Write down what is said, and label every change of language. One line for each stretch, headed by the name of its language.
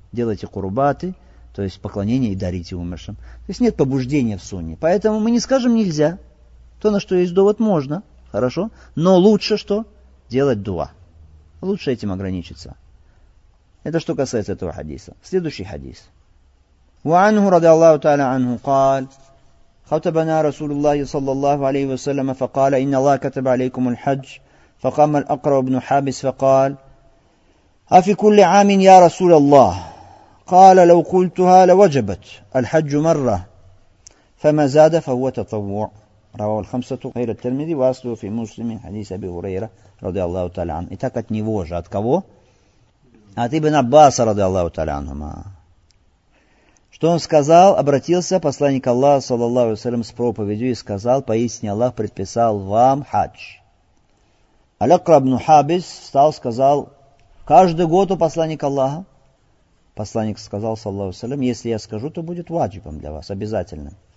Russian: Делайте курубаты, то есть поклонение, и дарите умершим. То есть нет побуждения в сунне. Поэтому мы не скажем нельзя. То, на что есть довод, можно. Хорошо. Но лучше что? Делать дуа. Лучше этим ограничиться. Это что касается этого хадиса. Следующий хадис.
Arabic: وعنه رضي الله تعالى عنه قال خطبنا رسول الله صلى الله عليه وسلم فقال إن الله كتب عليكم الحج فقام الأقرب بن حابس فقال أفي كل عام يا رسول الله؟ قال لو قلتها لوجبت الحج مرة فما زاد فهو تطوع. رواه الخمسة غير الترمذي وأصله في مسلم حديث أبي هريرة رضي الله تعالى عنه.
Russian: Итак, от него же, от кого? От Ибн Аббаса رضي الله تعالى عنه. Что он сказал? Обратился посланник Аллаха صلى الله عليه وسلم с проповедью и сказал: поистине Аллах предписал вам хадж. Аль-Акра ибн Хабис встал, сказал: каждый год у посланника Аллаха. Посланник сказал, саллаху салям, если я скажу, то будет ваджибом для вас, обязательно.